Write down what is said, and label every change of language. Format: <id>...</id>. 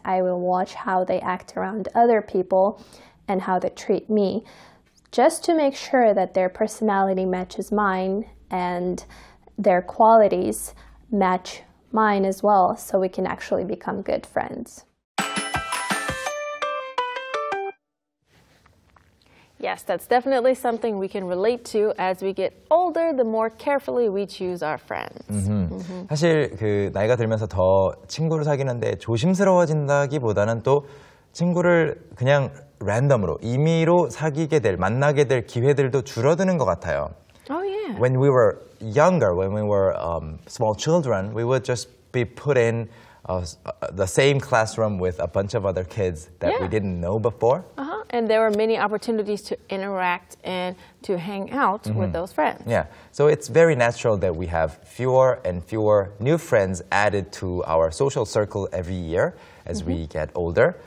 <en>I will watch how they act around other people and how they treat me, just to make sure that their personality matches mine and their qualities match mine as well, so we can actually become good friends. Yes, that's definitely something we can relate to. As we get older, the more carefully we choose our friends. Mm-hmm. Mm-hmm.</en> <ko>사실 그 나이가 들면서 더 친구를 사귀는데 조심스러워진다기보다는 또 친구를 그냥 랜덤으로 임의로 사귀게 될 만나게 될 기회들도 줄어드는 것 같아요.</ko> <en>Oh yeah. When we were younger, when we were small children, we would just be put in the same classroom with a bunch of other kids that we didn't know before. Uh-huh. And there are many opportunities to interact and to hang out mm-hmm. with those friends. Yeah, so it's very natural that we have fewer and fewer new friends added to our social circle every year as mm-hmm. we get older.</en>